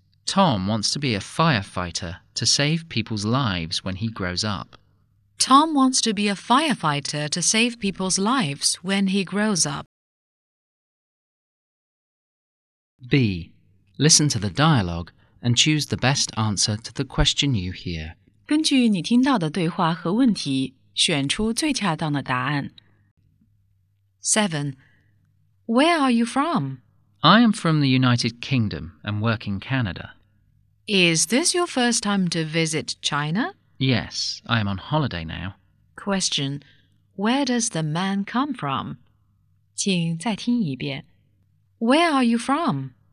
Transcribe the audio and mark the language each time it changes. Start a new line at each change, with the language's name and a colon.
English: Tom wants to be a firefighter to save people's lives when he grows up. Tom wants to be a firefighter to save people's lives when he grows up. B. Listen to the dialogue and choose the best answer to the question you hear.
Chinese: 根据你听到的对话和问题，选出最恰当的答案。
English: 7. Where are you from? I am from the United Kingdom and work in Canada. Is this your first time to visit China? Yes, I am on holiday now. Question, where does the man come from?
Chinese: 请再听一遍。
English: Where are you from?